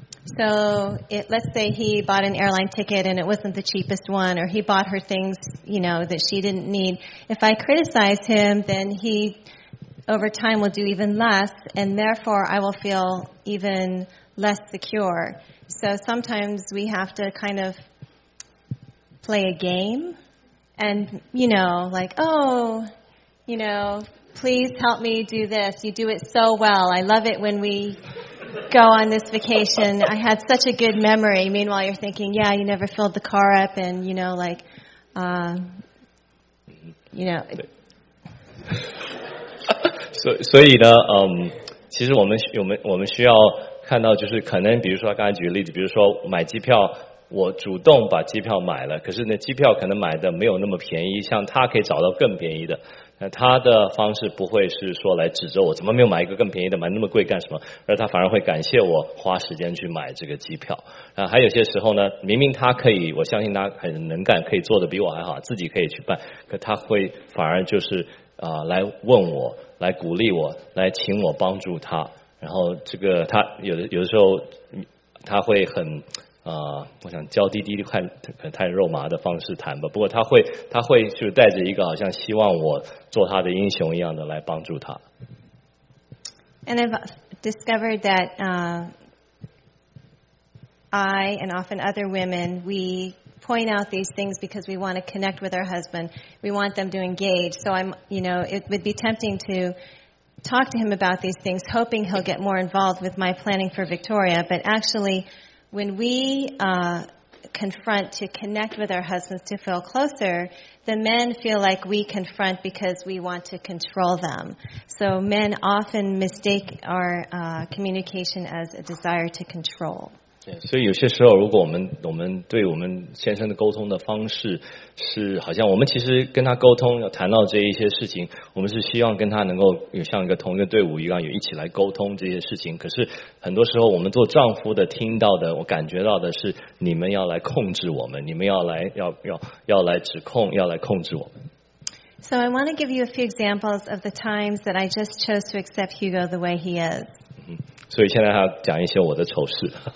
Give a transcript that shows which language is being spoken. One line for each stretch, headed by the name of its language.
English: So it, let's say he bought an airline ticket and it wasn't the cheapest one, or he bought her things, you know, that she didn't need. If I criticize him, then he, over time, will do even less, and therefore I will feel even less secure. So sometimes we have to kind of play a game and, you know, like, oh, you know, please help me do this. You do it so well. I love it when we go on this vacation. I had such a good memory. Meanwhile, you're thinking, yeah, you never filled the car up and, you know, like, you know.
Chinese: 所以呢, 其实我们需要看到，就是可能比如说刚才举个例子，比如说买机票，我主动把机票买了，可是那机票可能买的没有那么便宜，像他可以找到更便宜的，那他的方式不会是说来指责我怎么没有买一个更便宜的，买那么贵干什么，而他反而会感谢我花时间去买这个机票。那还有些时候呢，明明他可以，我相信他很能干，可以做得比我还好，自己可以去办，可他会反而就是来问我，来鼓励我，来请我帮助他，然后这个他有的时候他会很我想娇滴滴的太肉麻的方式谈吧，不过他会就带着一个好像希望我做他的英雄一样的来帮助他。
English: And I've discovered that I and often other women, we point out these things because we want to connect with our husband, we want them to engage, so I'm, you know, it would be tempting to talk to him about these things, hoping he'll get more involved with my planning for Victoria, but actually when we confront to connect with our husbands to feel closer, the men feel like we confront because we want to control them. So men often mistake our communication as a desire to control.
Chinese: 所以有些时候，如果我们对我们先生的沟通的方式是好像我们其实跟他沟通，谈到这一些事情，我们是希望跟他能够有像一个同一个队伍一样，有一起来沟通这些事情。可是很多时候，我们做丈夫的听到的，我感觉到的是，你们要来控制我们，你们要来指控，要来控制我们。
English: So I want to give you a few examples of the times that I just chose to accept Hugo the way he is.
Chinese: 所以现在他讲一些我的丑事。